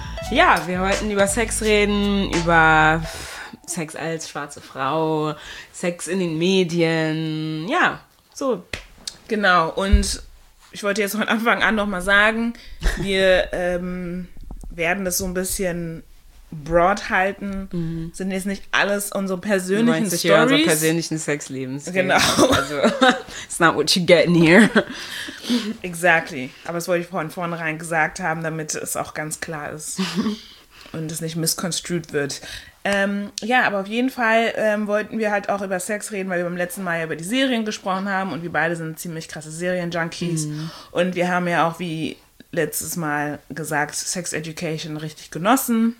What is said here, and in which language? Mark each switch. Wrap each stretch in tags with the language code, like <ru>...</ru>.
<de>Ja, wir wollten über Sex reden, über Sex als schwarze Frau, Sex in den Medien, ja, so. Genau, und ich wollte jetzt von Anfang an nochmal sagen, wir werden das so ein bisschen broad halten, sind jetzt nicht alles unsere persönlichen Stories. Du meinst sicher unsere persönlichen Sexlebens. Genau.</de> <en>Also, it's not what you get in here. Exactly.</en> <de>Aber das wollte ich von vornherein gesagt haben, damit es auch ganz klar ist und es nicht misconstrued wird. Ja, aber auf jeden Fall wollten wir halt auch über Sex reden, weil wir beim letzten Mal ja über die Serien gesprochen haben und wir beide sind ziemlich krasse Serien-Junkies. Und wir haben ja auch wie letztes Mal gesagt, Sex Education richtig genossen.</de>